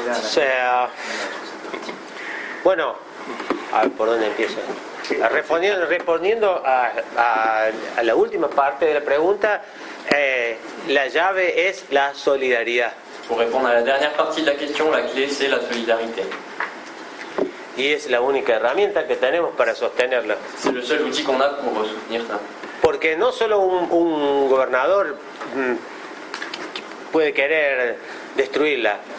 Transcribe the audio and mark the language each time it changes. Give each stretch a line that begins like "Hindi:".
Spanish: O sea, bueno, a ver, ¿por dónde empiezo? Respondiendo a la última parte de la pregunta, la llave es la solidaridad.
French: Pour répondre à la dernière partie de la question, la clé c'est la solidarité.
Spanish: Y es la única herramienta que tenemos para sostenerla.
French: C'est le seul outil qu'on a pour soutenir ça.
Spanish: Porque no solo un gobernador puede querer destruirla.